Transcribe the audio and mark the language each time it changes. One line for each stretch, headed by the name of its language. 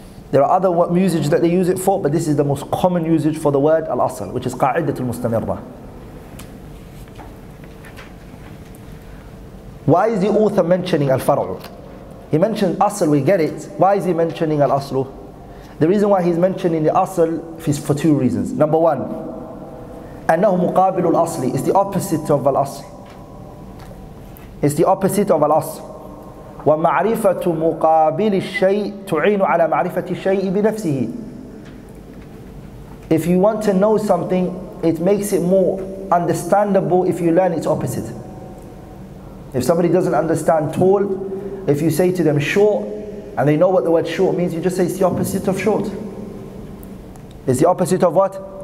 English: There are other usage that they use it for, but this is the most common usage for the word al-asal, which is qa'idatul mustamirra. Why is the author mentioning al-far'u? He mentioned asal, we get it. Why is he mentioning al-aslu? The reason why he's mentioning the asal is for two reasons. Number one,
Arabic: أنه مقابل الأصل.
English: It's the opposite of الأصل. It's the opposite of الأصل.
Arabic: ومعرفة مقابل الشيء تعين على معرفة الشيء بنفسه.
English: If you want to know something, it makes it more understandable if you learn its opposite. If somebody doesn't understand tall, if you say to them short, and they know what the word short means, you just say it's the opposite of short. It's the opposite of what?